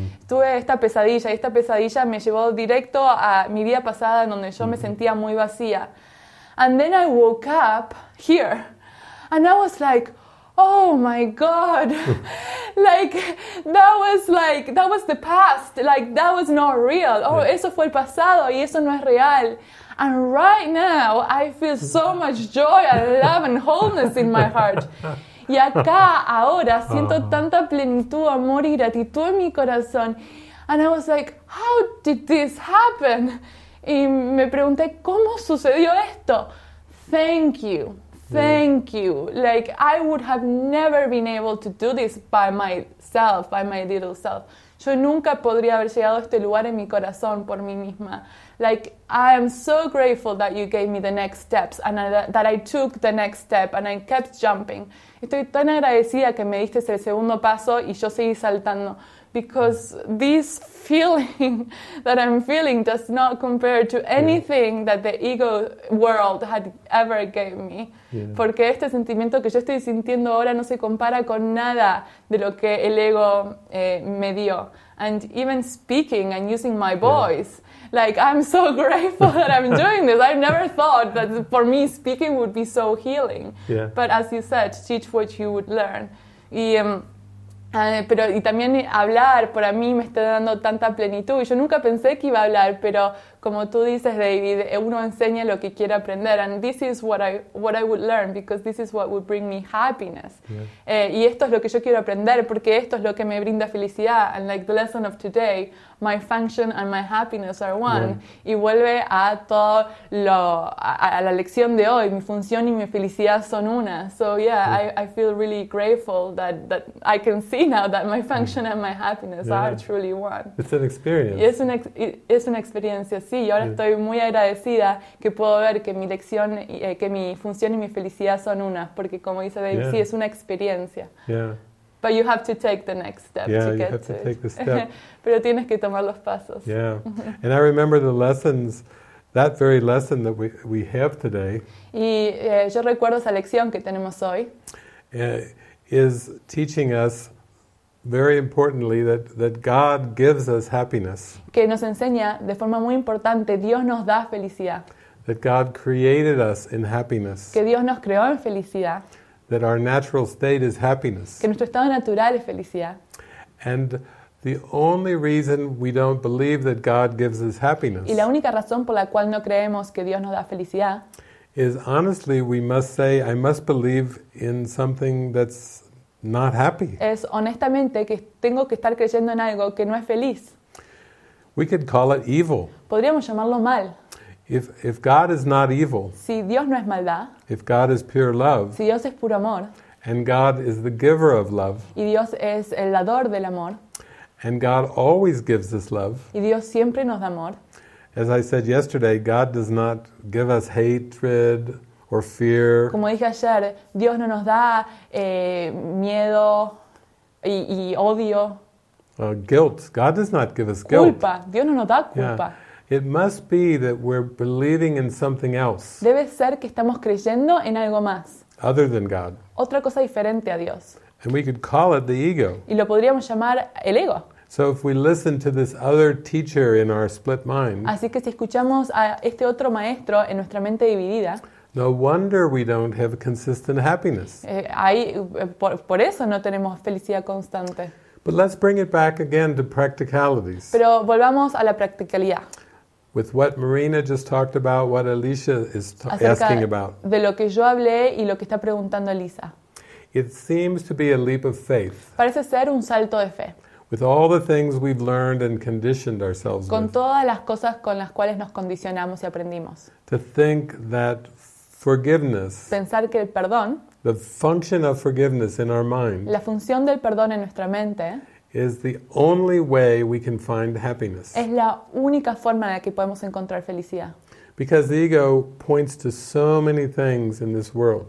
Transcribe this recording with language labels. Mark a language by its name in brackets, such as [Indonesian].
[Spanish] Tuve esta pesadilla, y esta pesadilla me llevó directo a mi vida pasada, donde yo me sentía muy vacía. [English] And then I woke up here, and I was like, oh my God, like that was the past, like that was not real. [Spanish] Oh, eso fue el pasado, y eso no es real. [English] And right now, I feel so much joy and love and wholeness in my heart. [Spanish] Y acá, ahora, siento tanta plenitud, amor y gratitud en mi corazón. [English] And I was like, how did this happen? [Spanish] Y me pregunté, ¿cómo sucedió esto? [English] Thank you. Thank you. Like, I would have never been able to do this by myself, by my little self. [Spanish] Yo nunca podría haber llegado a este lugar en mi corazón por mí misma. [English] Like, I am so grateful that you gave me the next steps and that I took the next step and I kept jumping. [Spanish] Estoy tan agradecida que me diste el segundo paso y yo seguí saltando. [English] Because this feeling that I'm feeling does not compare to anything that the ego world had ever gave me. Yeah. [Spanish] Porque este sentimiento que yo estoy sintiendo ahora no se compara con nada de lo que el ego me dio. [English] And even speaking and using my voice, like, I'm so grateful that I'm doing this. I never thought that for me speaking would be so healing. Yeah. But as you said, teach what you would learn. [Spanish] Pero y también hablar para mí me está dando tanta plenitud y yo nunca pensé que iba a hablar, pero como tú dices, David, uno enseña lo que quiere aprender, [English] and this is what I would learn because this is what would bring me happiness. Yeah. [Spanish] Y esto es lo que yo quiero aprender porque esto es lo que me brinda felicidad. [English] And like the lesson of today, my function and my happiness are one. Yeah. [Spanish] Y vuelve a todo lo a la lección de hoy, mi función y mi felicidad son una. [English] So yeah, yeah. I feel really grateful that I can see now that my function and my happiness are truly one. It's an experience. [Spanish] Es una experiencia. Sí, y ahora estoy muy agradecida que puedo ver que mi lección, que mi función y mi felicidad son unas, porque como dice David, sí, es una experiencia. [English] Yeah. But you have to take the next step to get to it. [Spanish] Pero tienes que tomar los pasos. [English] Yeah. And I remember the lessons, that very lesson that we have today. [Spanish] Y yo recuerdo esa lección que tenemos hoy. [English] Is teaching us very importantly that God gives us happiness. [Spanish] Que nos enseña de forma muy importante, Dios nos da felicidad. [English] That God created us in happiness. [Spanish] Que Dios nos creó en felicidad. [English] That our natural state is happiness. [Spanish] Que nuestro estado natural es felicidad. [English] And the only reason we don't believe that God gives us happiness. [Spanish] Y la única razón por la cual no creemos que Dios nos da felicidad [English] is honestly we must say I must believe in something that's not happy. [Spanish] Es honestamente que tengo que estar creyendo en algo que no es feliz. [English] We could call it evil. [Spanish] Podríamos llamarlo mal. [English] If God is not evil. [Spanish] Si Dios no es maldad. [English] If God is pure love. [Spanish] Si Dios es puro amor. [English] And God is the giver of love. [Spanish] Y Dios es el dador del amor. [English] And God always gives us love. [Spanish] Y Dios siempre nos da amor. [English] As I said yesterday, God does not give us hatred or fear. [Spanish] Como dije ayer, Dios no nos da miedo y odio. [English] Guilt. God does not give us guilt. [Spanish] Culpa. Dios no nos da culpa. [English] Yeah. It must be that we're believing in something else. [Spanish] Debe ser que estamos creyendo en algo más. [English] Other than God. [Spanish] Otra cosa diferente a Dios. [English] And we could call it the ego. [Spanish] Y lo podríamos llamar el ego. [English] So if we listen to this other teacher in our split mind. [Spanish] Así que si escuchamos a este otro maestro en nuestra mente dividida. [English] No wonder we don't have consistent happiness. [Spanish] Por eso no tenemos felicidad constante. [English] But let's bring it back again to practicalities. [Spanish] Pero volvamos a la practicalidad. [English] With what Marina just talked about, what Alicia is asking about. [Spanish] De lo que yo hablé y lo que está preguntando Elisa. [English] It seems to be a leap of faith. [Spanish] Parece ser un salto de fe. [English] With all the things we've learned and conditioned ourselves with. [Spanish] Con todas las cosas con las cuales nos condicionamos y aprendimos. [English] To think that forgiveness. [Spanish] Pensar que el perdón. [English] The function of forgiveness in our mind. [Spanish] La función del perdón en nuestra mente. [English] Is the only way we can find happiness. [Spanish] Es la única forma en la que podemos encontrar felicidad. [English] Because the ego points to so many things in this world.